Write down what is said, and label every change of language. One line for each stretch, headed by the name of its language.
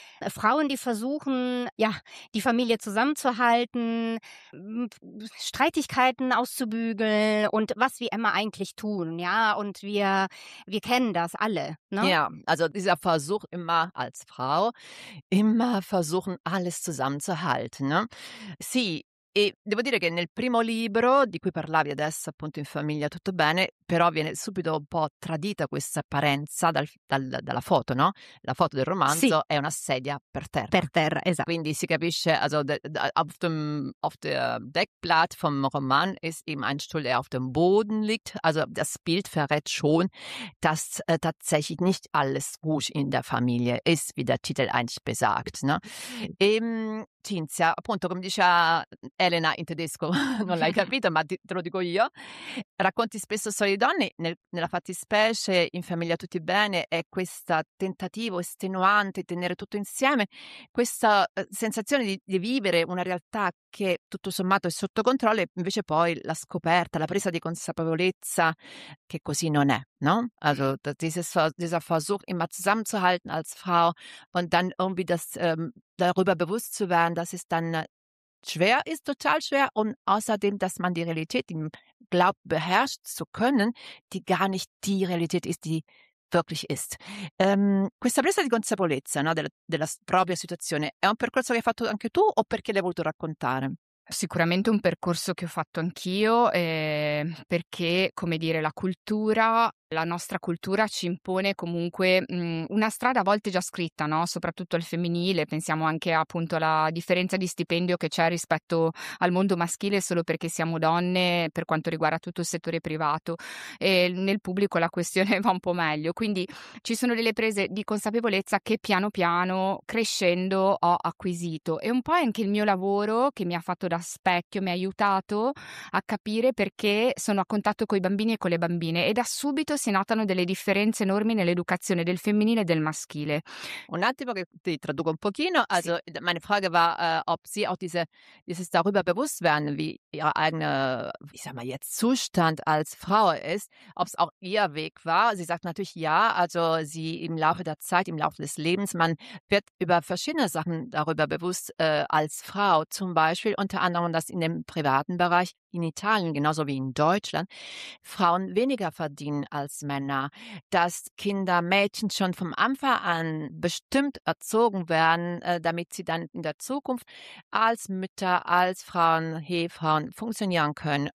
German: Frauen, die versuchen, ja, die Familie zusammenzuhalten, Streitigkeiten auszubügeln und was wir immer eigentlich tun, ja, und wir kennen das alle, ne? Ja, also dieser Versuch immer als Frau, immer versuchen, alles zusammenzuhalten, ne?
Italian: Sì. E devo dire che nel primo libro, di cui parlavi adesso, appunto In famiglia tutto bene, però viene subito un po' tradita questa apparenza dalla foto, no? La foto del romanzo, sì, è una sedia per terra. Per terra, esatto. Quindi si capisce,
German: also auf dem Deckblatt vom Roman ist eben ein Stuhl, der auf dem Boden liegt. Also das Bild verrät schon, dass tatsächlich nicht alles gut in der Familie ist, wie der Titel eigentlich besagt, no?
Italian: Cinzia, appunto, come diceva Elena in tedesco, non l'hai capito, ma te lo dico io, racconti spesso storie di donne, nella fattispecie In famiglia tutti bene è questo tentativo estenuante di tenere tutto insieme, questa sensazione di vivere una realtà che tutto sommato è sotto controllo e invece poi la scoperta, la presa di consapevolezza che così non è, no?
German: Also, dieser Versuch immer zusammenzuhalten als Frau und dann irgendwie das darüber bewusst zu werden, dass es dann schwer ist, total schwer, und außerdem, dass man die Realität glaubt, beherrscht zu können, die gar nicht die Realität ist, die wirklich ist.
Italian: Questa presa di consapevolezza, no, della propria situazione, è un percorso che hai fatto anche tu o perché l'hai voluto raccontare? Sicuramente un percorso che ho fatto anch'io, perché, come dire, la nostra cultura ci impone comunque una strada a volte già scritta, no? Soprattutto al femminile, pensiamo anche appunto alla differenza di stipendio che c'è rispetto al mondo maschile solo perché siamo donne, per quanto riguarda tutto il settore privato, e nel pubblico la questione va un po' meglio, quindi ci sono delle prese di consapevolezza che piano piano crescendo ho acquisito, e un po' anche il mio lavoro che mi ha fatto da specchio, mi ha aiutato a capire perché sono a contatto con i bambini e con le bambine, e da subito si notano delle differenze enormi nell'educazione del femminile e del maschile. Un attimo che ti traduco un pochino.
German: Also, sì. Meine Frage war, ob Sie auch dieses darüber bewusst werden, wie Ihr eigener, ich sag mal jetzt, Zustand als Frau ist, ob es auch Ihr Weg war. Sie sagt natürlich ja, also sie im Laufe der Zeit, im Laufe des Lebens, man wird über verschiedene Sachen darüber bewusst als Frau, zum Beispiel unter anderem, dass in dem privaten Bereich in Italien, genauso wie in Deutschland, Frauen weniger verdienen als Männer, dass Kinder, Mädchen schon vom Anfang an bestimmt erzogen werden, damit sie dann in der Zukunft als Mütter, als Frauen, Hehfrauen funktionieren können.